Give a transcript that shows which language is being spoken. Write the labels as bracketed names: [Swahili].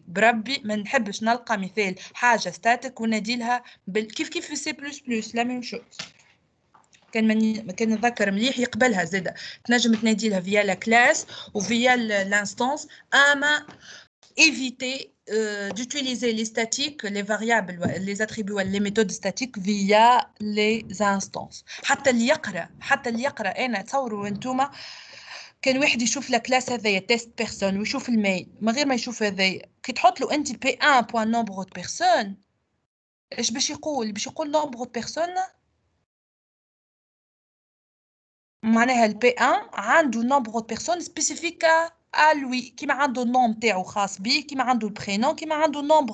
[French] Brabbi, mais je n'aime pas le cas, mais c'est la chose statique qu'on a dit là, kif kif c plus plus, la même chose. [Arabic] كان نذكر مليح يقبلها زيدا. تنجم تنادي لها [French] via la classe ou via l'instance à éviter d'utiliser les statiques, les variables, les attributs, les méthodes statiques via les instances. [Arabic] حتى اللي يقرأ انا تصوروا انتوما كان واحد يشوف لا كلاس هذايا تيست بيرسون ويشوف المين من غير ما يشوف هذايا كي تحط له انت بي 1 بوان نومبر دو بيرسون ايش باش يقول؟ باش يقول نومبر دو بيرسون، معناها البي 1 عنده نومبر دو بيرسون سبيسيفيك ا لوي، كيما عنده النوم تاعو خاص بيه، كيما عنده البرينو، كيما عنده نومبر.